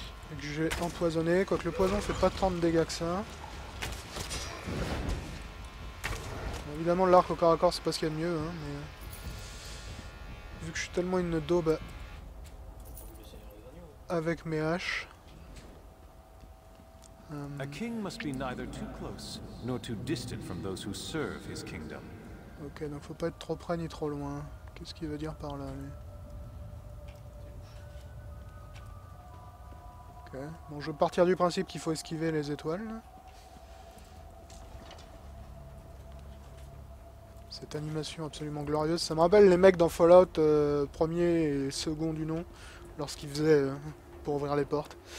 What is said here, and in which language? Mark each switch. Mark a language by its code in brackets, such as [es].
[fr] Donc j'ai empoisonné, quoique le poison fait pas tant de dégâts que ça. Bon, évidemment l'arc au corps à corps c'est pas ce qu'il y a de mieux, hein, mais... Vu que je suis tellement une daube avec mes haches... [en] A king must be neither too close nor too distant from those who serve his kingdom. [fr] Ok, donc faut pas être trop près ni trop loin. Qu'est-ce qu'il veut dire par là, lui? Ok, bon, je vais partir du principe qu'il faut esquiver les étoiles. Cette animation absolument glorieuse, ça me rappelle les mecs dans Fallout, premier et second du nom, lorsqu'ils faisaient pour ouvrir les portes.